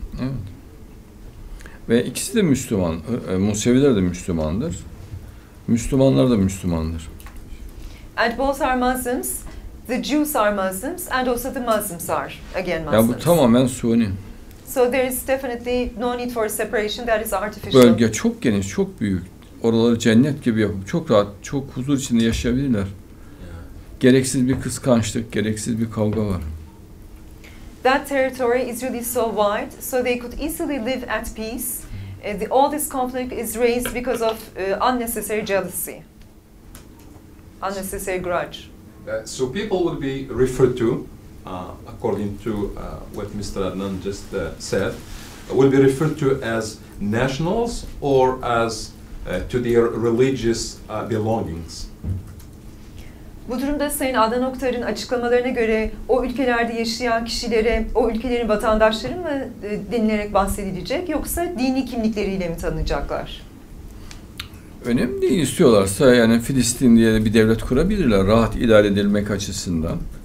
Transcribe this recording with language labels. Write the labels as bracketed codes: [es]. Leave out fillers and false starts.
[tr] Evet. Ve ikisi de Müslüman. Museviler de Müslümandır. Müslümanlar da Müslümandır. [en] And both are Muslims. The Jews are Muslims and also the Muslims are again Muslims. [tr] Ya bu tamamen Sunni. [en] So there is definitely no need for a separation. That is artificial. [tr] Bölge çok geniş, çok büyük. Oraları cennet gibi yapıp çok rahat, çok huzur içinde yaşayabilirler. Gereksiz bir kıskançlık, gereksiz bir kavga var. [en] That territory is really so wide, so they could easily live at peace. All this conflict is raised because of unnecessary jealousy, unnecessary grudge. So people would be referred to, according to what Mr. Adnan just said, would be referred to as nationals or as to their religious belongings. [tr] Bu durumda Sayın Adnan Oktar'ın açıklamalarına göre o ülkelerde yaşayan kişilere, o ülkelerin vatandaşları mı denilerek bahsedilecek yoksa dini kimlikleriyle mi tanınacaklar? Önemli değil, istiyorlarsa yani Filistin diye bir devlet kurabilirler rahat idare edilmek açısından.